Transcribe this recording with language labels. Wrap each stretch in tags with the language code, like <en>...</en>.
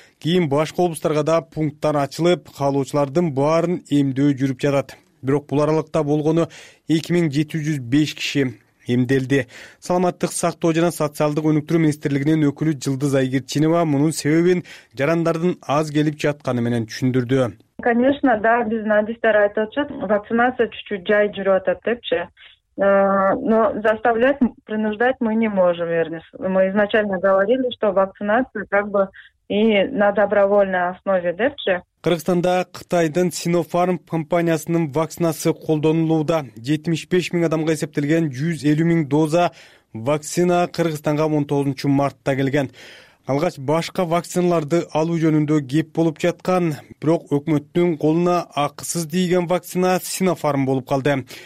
<ky>Кийин башка облустарга да пункттар ачылып, каалоочулардын баарын эмдөө жүрүп жатат. Бирок бул аралыкта болгону 2705 киши эмделди. Саламаттык сактоо жана социалдык өнүктүрүү министрлигинин өкүлү Жылдыз Айгерчинова мунун себебин жарандардын аз келип жатканы менен түшүндүрдү. Конечно, да, биздин адистер айтып атышат, вакцинация чуть-чуть жай жүрүп атат депчи.</ky> <ru>Но заставлять, принуждать мы не можем, верно. Мы изначально говорили, что вакцинация как бы и на добровольной основе, депчи.</ru> <ky>Кыргызстанда Кытайдын Sinopharm компаниясынын вакцинасы колдонулууда. 75 000 адамга эсептелген 150 000 доза вакцина Кыргызстанга 19 мартта келген. Алгач башка вакциналарды алуу жөнүндө кеп болуп жаткан, бирок өкмөттүн колуна акысыз тийген вакцина Sinopharm болуп калды.</ky>